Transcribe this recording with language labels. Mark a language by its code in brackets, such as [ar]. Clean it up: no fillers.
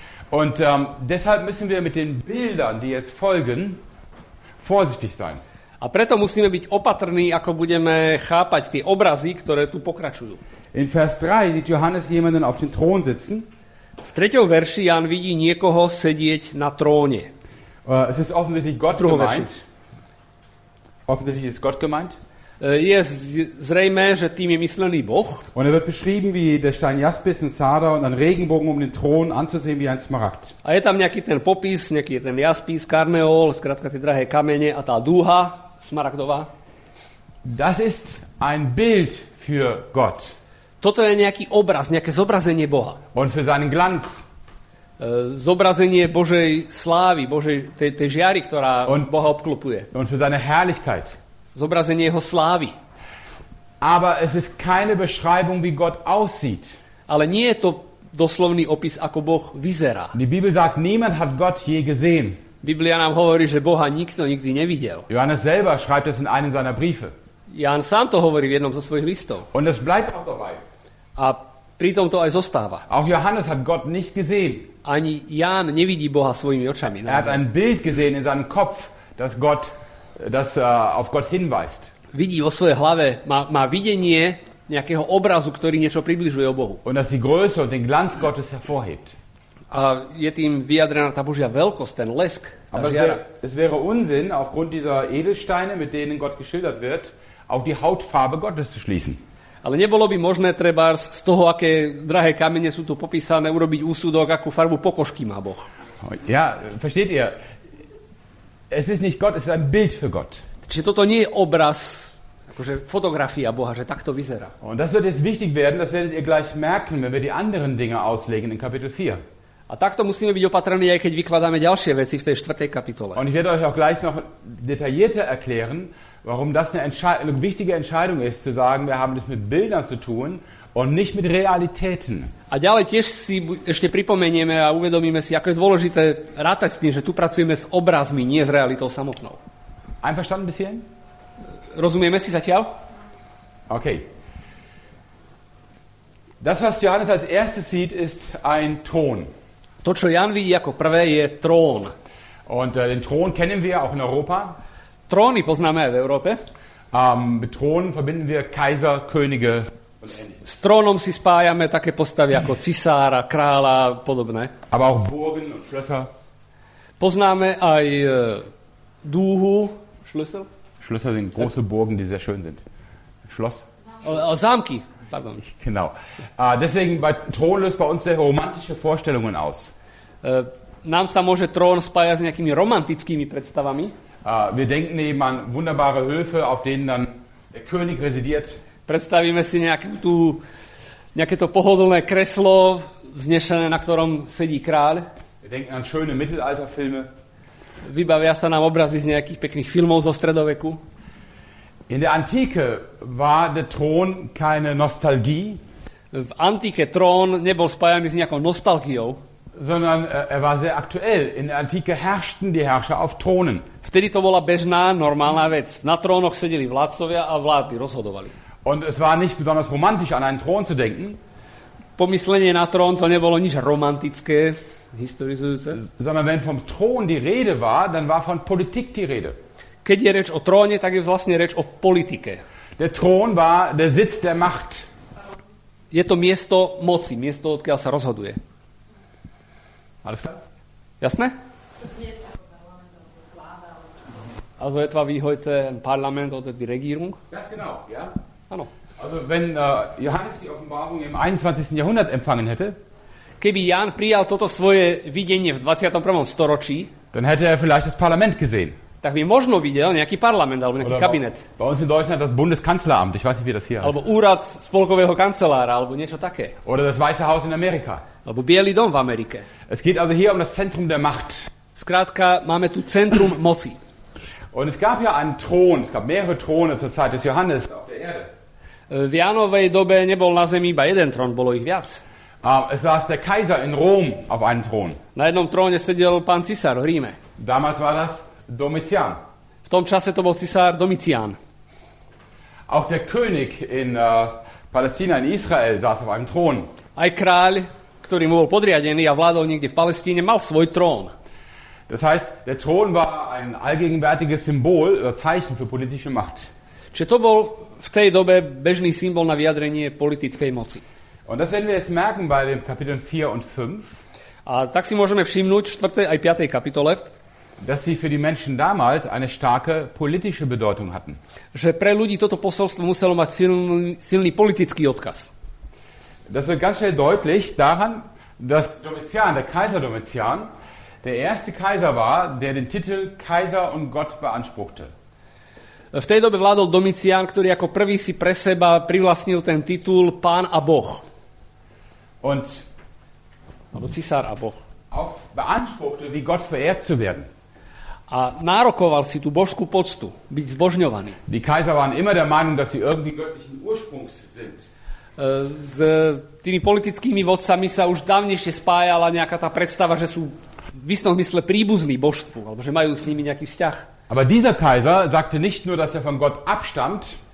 [de] Und deshalb müssen wir mit den Bildern, die jetzt folgen, vorsichtig sein. [sk] A preto musíme byť opatrní, ako budeme chápať tie obrazy, ktoré tu pokračujú. [de] In Vers 3 sieht Johannes jemanden auf dem Thron sitzen. [sk] V 3. verši Jan vidí niekoho sedieť na tróne. [de] Es ist offensichtlich Gott gemeint. Offensichtlich ist Gott gemeint. [sk] Je zrejme, že tým je myslený Boh. [de] Und er wird beschrieben wie der Stein Jaspis und Sardar und ein Regenbogen um den Thron anzusehen wie ein Smaragd. [sk] A je tam nejaký ten popis, nejaký ten Jaspis, Karneol, skrátka tie drahé kamene a tá dúha smaragdová. [de] Das ist ein Bild für Gott. [sk] Toto je nejaký obraz, nejaké zobrazenie Boha. [de] Und für seinen Glanz. [sk] Zobrazenie Božej slávy, Božej tej žiary, ktorá Boha obklopuje. [de] Und für seine Herrlichkeit. [sk] Zobrazenie jeho slávy. [de] Aber es ist keine Beschreibung, wie Gott aussieht. [sk] Ale nie je to doslovný opis, ako Boh vyzerá. [de] Die Bibel sagt, niemand hat Gott je gesehen. [sk] Biblia nám hovorí, že Boha nikto nikdy nevidel. [de] Johannes selber schreibt es in einem seiner Briefe. [sk] Ján sám to hovorí v jednom zo svojich listov. [de] Und es bleibt auch dabei. [sk] A pritom to aj zostáva. [de] Auch Johannes hat Gott nicht gesehen. [sk] Ani Ján nevidí Boha svojimi očami. [de] Er hat ein Bild gesehen in seinem Kopf, dass Gott, dass auf Gott hinweist. [sk] Vidí vo svojej hlave, má videnie nejakého obrazu, ktorý niečo približuje o Bohu. [de] Und dass die Größe und den Glanz Gottes hervorhebt. [sk] A je tým vyjadrená tá Božia veľkosť, ten lesk. [de] Aber es wäre Unsinn, aufgrund dieser Edelsteine, mit denen Gott geschildert wird, auf die Hautfarbe Gottes zu schließen. [sk] Ale nebolo by možné trebárs z toho, aké drahé kamene sú tu popísané, urobiť úsudok, akú farbu pokožky má Boh. [de] Ja, versteht ihr? Es ist nicht Gott, es ist ein Bild für Gott. [sk] Čiže toto nie je obraz, akože fotografia Boha, že takto vyzerá. [de] Und das wird jetzt wichtig werden, das werdet ihr gleich merken, wenn wir die anderen Dinge auslegen in Kapitel 4. [sk] A takto musíme byť opatrení, aj keď vykladáme ďalšie veci v tej 4. kapitole. [de] Und ich werde euch auch gleich noch detaillierter erklären, warum das eine wichtige Entscheidung ist, zu sagen, wir haben das mit Bildern zu tun und nicht mit Realitäten. [sk] A ďalej tiež si ešte pripomenieme a uvedomíme si, ako je dôležité rátať s tým, že tu pracujeme s obrazmi, nie s realitou samotnou. [de] Einverstanden bis hierhin? [sk] Rozumieme si zatiaľ? Okay. [de] Das, was Johannes als erstes sieht, ist ein Thron. [sk] To, čo Jan vidí ako prvé, je trón. [de] Und den Thron kennen wir auch in Europa. [sk] Tróny poznáme aj v Európe. [de] Mit Thronen verbinden wir Kaiser, Könige. [sk] S trónom si spájame také postavy ako cisára, kráľa a podobné. [de] Aber auch Burgen und Schlösser. [sk] Poznáme aj dúhu, Schlösser. [de] Schlösser sind große Burgen, die sehr schön sind. Schloss. [sk] Zámky. Pardon. [de] Genau. Deswegen bei Thron löst bei uns sehr romantische Vorstellungen aus. [sk] Nám sa môže trón spájať s nejakými romantickými predstavami. [de] Wir denken eben an wunderbare Höfe, auf denen dann der König residiert. [sk] Predstavíme si nejaké to pohodlné kreslo, vznešené, na ktorom sedí kráľ. [de] Wir denken an schöne Mittelalterfilme. [sk] Vybavia sa nám obrazy z nejakých pekných filmov zo stredoveku. [de] In der Antike war der Thron keine Nostalgie. [sk] V antike trón nebol spájaný s nejakou nostalgiou. [de] Sondern er war sehr aktuell. In der Antike herrschten die Herrscher auf Thronen. [sk] Vtedy to bola bežná, normálna vec. Na trónoch sedeli vládcovia a vlády rozhodovali. [de] Und es war nicht besonders romantisch, an einen Thron zu denken. [sk] Pomyslenie na trón to nebolo nič romantické, historizujúce. [de] Sondern wenn vom Thron die Rede war, dann war von Politik die Rede. [sk] Keď je reč o tróne, tak je vlastne reč o politike. [de] Der Thron war der Sitz der Macht. [sk] Je to miesto moci, miesto, odkiaľ sa rozhoduje. [de] Alles klar? [sk] Jasné? [de] Also etwa wie heute ein Parlament oder die Regierung? Ganz genau, ja. [sk] Ano. [de] Also wenn Johannes die Offenbarung im 21. Jahrhundert empfangen hätte, [sk] keby Ján prijal toto svoje videnie v 21. storočí, [de] dann hätte er vielleicht das Parlament gesehen. [sk] Tak by možno videl nejaký parlament alebo nejaký kabinet. [de] Bei uns in Deutschland das Bundeskanzleramt, ich weiß nicht, wie das hier [sk] alebo úrad spolkového kancelára, alebo niečo také. [de] Oder das Weiße Haus in Amerika. [sk] Alebo Bielý dom v Amerike. [de] Es geht also hier um das Zentrum der Macht. [sk] Skrátka, máme tu centrum moci. [de] Und es gab ja einen Thron, es gab mehrere Throne zur Zeit des Johannes auf der Erde. [sk] V Jánovej dobe nebol na zemi iba jeden trón, bolo ich viac. [de] Es saß der Kaiser in Rom auf einem Thron. [sk] Na jednom tróne sedel pán cisár v Ríme. [de] Damals war das Domitian. [sk] V tom čase to bol cisár Domitian. [de] Auch der König in Palästina in Israel saß auf einem Thron. [sk] Aj kráľ, ktorý mu bol podriadený a vládol niekde v Palestíne, mal svoj trón. [de] Das heißt, der Thron war ein allgegenwärtiges Symbol oder Zeichen für politische Macht. [sk] Čiže to bol v tej dobe bežný symbol na vyjadrenie politickej moci. [de] Und das werden wir jetzt merken bei den Kapiteln 4 und 5. [sk] A tak si môžeme všimnúť v 4. aj 5. kapitole, [de] dass sie für die Menschen damals eine starke politische Bedeutung hatten. [sk] Že pre ľudí toto posolstvo muselo mať silný politický odkaz. [de] Das wird ganz schnell deutlich daran, dass Domitian, der Kaiser Domitian, der erste Kaiser war, der den Titel Kaiser und Gott beanspruchte. [sk] V tej dobe vládol Domitian, ktorý ako prvý si pre seba privlastnil ten titul Pán a Boh. [de] Und [sk] alebo Cisár a Boh. [de] Auf beanspruchte, wie Gott verehrt zu werden. [sk] A nárokoval si tú božskú poctu, byť zbožňovaný. [de] Die Kaiser waren immer der Meinung, dass sie irgendwie göttlichen Ursprungs sind. [sk] S tými politickými vodcami sa už dávnejšie spájala nejaká tá predstava, že sú v istom mysle príbuzní božstvu, alebo že majú s nimi nejaký vzťah. [de] Aber dieser Kaiser sagte nicht nur, dass er von Gott abstammt,